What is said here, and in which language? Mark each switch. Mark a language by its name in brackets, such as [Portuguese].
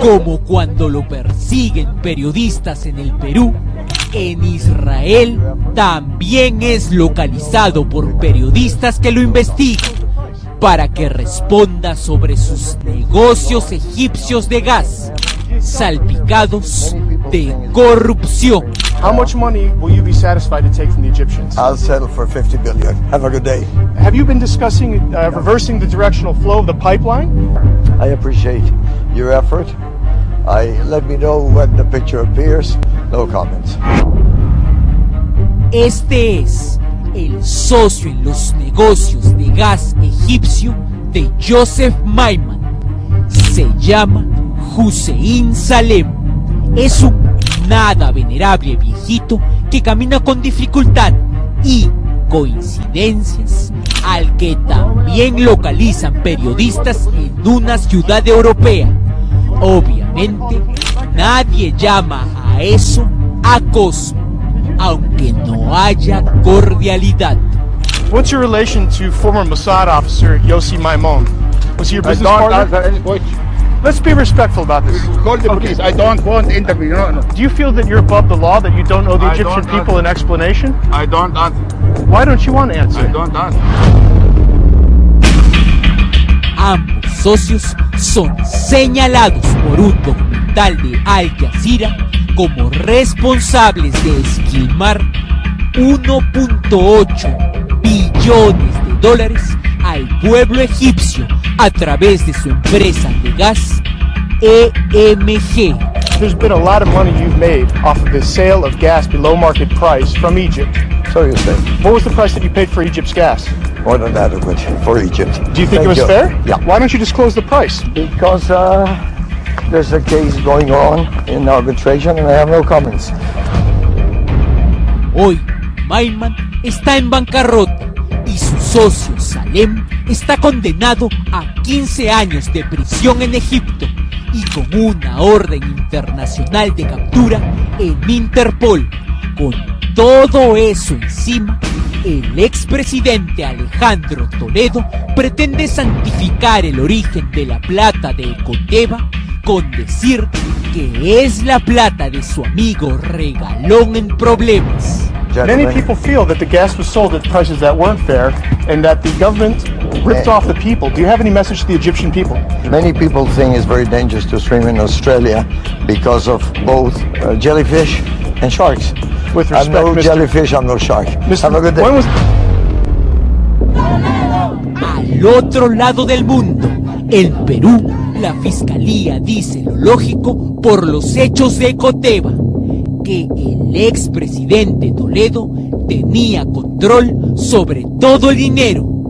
[Spanish] Como cuando lo persiguen periodistas en el Perú, en Israel también es localizado por periodistas que lo investigan para que responda sobre sus negocios egipcios de gas, salpicados de corrupción. [English] How much money will you be satisfied to take from the Egyptians? I'll settle for 50 billion. Have a good day. Have you been discussing reversing the directional flow of the pipeline? I appreciate your effort. Let me know when the picture appears. No comments. [Spanish] Este es el socio en los negocios de gas egipcio de Joseph Maiman. Se llama Hussein Salem. Es un nada venerable viejito que camina con dificultad y, coincidencias, al que también localizan periodistas en una ciudad europea. Obviamente, nadie llama a eso acoso, aunque no haya cordialidad. [English] What's your relation to former Mossad officer Yossi Maimon? Was he your business partner? Let's be respectful about this. Call the police. Okay. I don't want to interview. No. Do you feel that you're above the law, that you don't owe the Egyptian people an explanation? I don't answer. Why don't you want to answer? I don't answer. [Spanish] Ambos socios son señalados por un documental de Al Jazeera como responsables de esquilmar 1.8 billones de dólares al pueblo egipcio a través de su empresa de gas EMG. [English] There's been a lot of money you've made off of the sale of gas below market price from Egypt. So you say. What was the price that you paid for Egypt's gas? More than adequate for Egypt. Do you think it was fair? Yeah. Why don't you disclose the price? Because there's a case going on in arbitration and I have no comments. [Spanish] Hoy, Maiman está en bancarrota y su socio Salem está condenado a 15 años de prisión en Egipto y con una orden internacional de captura en Interpol. Con todo eso encima, el expresidente Alejandro Toledo pretende santificar el origen de la plata de Coteva con decir que es la plata de su amigo Regalón en problemas. [English] Gentlemen. Many people feel that the gas was sold at prices that weren't fair and that the government ripped off the people. Do you have any message to the Egyptian people? Many people think it's very dangerous to swim in Australia because of both jellyfish and sharks. With respect, I'm no jellyfish, I'm no shark. Have a good day. [Spanish] Al otro lado del mundo, el Perú, la fiscalía dice lo lógico por los hechos de Coteva. Que el expresidente Toledo tenía control sobre todo el dinero.